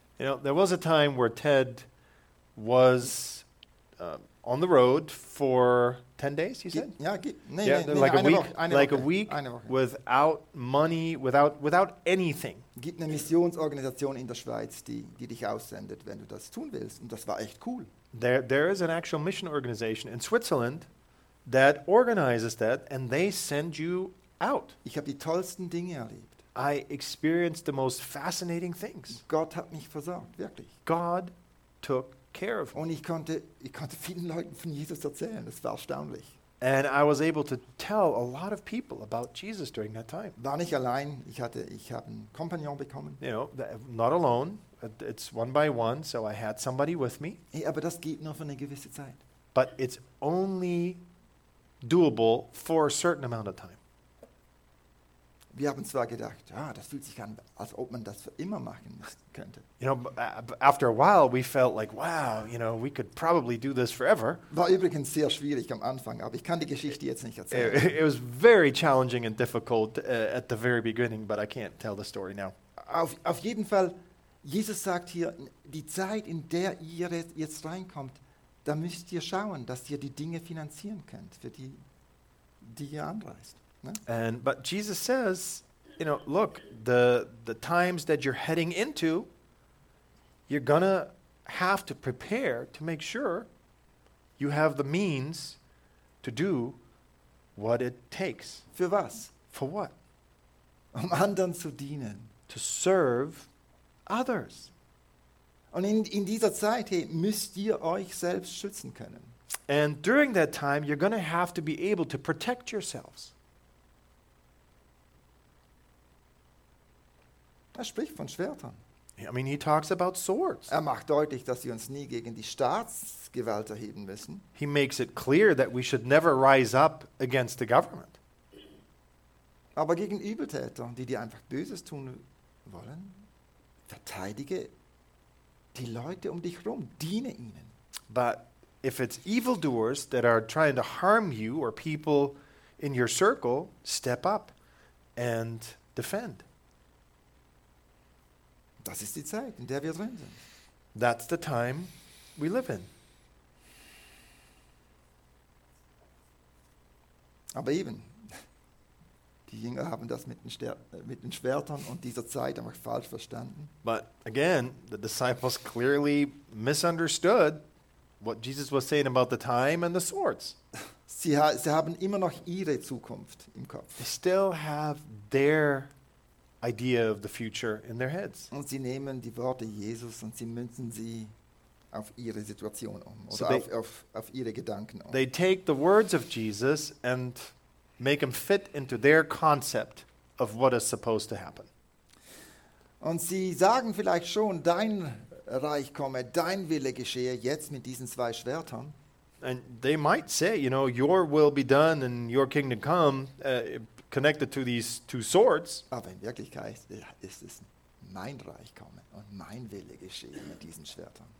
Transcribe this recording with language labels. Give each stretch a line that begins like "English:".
English: You know, there was a time where Ted was on the road for 10 days, you said? Like a week without money, without anything.
German: Gibt eine Missionsorganisation in der Schweiz, die dich aussendet, wenn du das tun willst. Und das war echt cool.
English: There is an actual mission organization in Switzerland that organizes that, and they send you out.
German: Ich habe die tollsten Dinge erlebt.
English: I experienced the most fascinating things.
German: Gott hat mich versorgt, wirklich.
English: God took care of me.
German: Und ich konnte vielen Leuten von Jesus erzählen. Das war erstaunlich.
English: And I was able to tell a lot of people about Jesus during that time.
German: War nicht allein. Ich habe einen Kompagnon bekommen.
English: You know, not alone. It's one by one, so I had somebody with me.
German: Hey, aber das geht nur für eine gewisse Zeit.
English: But it's only doable for a certain amount of time.
German: Wir haben zwar gedacht, ah, das fühlt sich an, als ob man das für immer machen könnte.
English: You know, after a while we felt like, wow, you know, we could probably do this forever.
German: War übrigens sehr schwierig am Anfang, aber ich kann die Geschichte jetzt nicht erzählen.
English: It was very challenging and difficult at the very beginning, but I can't tell the story now.
German: Auf jeden Fall, Jesus sagt hier, die Zeit, in der ihr jetzt reinkommt, da müsst ihr schauen, dass ihr die Dinge finanzieren könnt, für die ihr anreist.
English: But Jesus says, you know, look, the times that you're heading into, you're going to have to prepare to make sure you have the means to do what it takes.
German: Für was?
English: For what?
German: Um anderen zu dienen.
English: To serve others.
German: Und in dieser Zeit, hey, müsst ihr euch selbst schützen können.
English: And during that time, you're going to have to be able to protect yourselves.
German: Er spricht von Schwertern.
English: I mean, he talks about swords.
German: Er macht deutlich, dass wir uns nie gegen die Staatsgewalt erheben müssen.
English: He makes it clear that we should never rise up against the government.
German: Aber gegen Übeltäter, die dir einfach Böses tun wollen, verteidige die Leute um dich herum, diene ihnen.
English: But if it's evildoers that are trying to harm you or people in your circle, step up and defend.
German: Das ist die Zeit, in der wir drin sind.
English: That's the time we live in.
German: Aber eben, die Jünger haben das mit den Schwertern und dieser Zeit einfach falsch verstanden.
English: But again, the disciples clearly misunderstood what Jesus was saying about the time and the swords.
German: Sie haben immer noch ihre Zukunft im Kopf.
English: They still have their idea of the future in their heads.
German: Und sie nehmen die Worte Jesus und sie münzen sie auf ihre Situation um oder so auf ihre Gedanken um.
English: They take the words of Jesus and make them fit into their concept of what is supposed to happen.
German: Und sie sagen vielleicht schon, dein Reich komme, dein Wille geschehe jetzt mit diesen 2 Schwertern.
English: And they might say, you know, your will be done and your kingdom come, connected to these two swords.
German: Aber in Wirklichkeit ist es mein Reich komme und mein Wille geschehe mit diesen Schwertern.